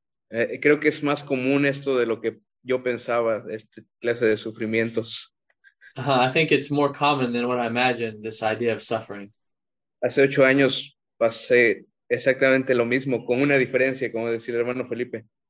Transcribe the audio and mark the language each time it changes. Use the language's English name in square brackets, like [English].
[Spanish] Creo que es más común esto de lo que yo pensaba, esta clase de sufrimientos. [English] I think it's more common than what I imagined, this idea of suffering. [Spanish] Hace 8 años pasé exactamente lo mismo, con una diferencia, como decía el hermano Felipe.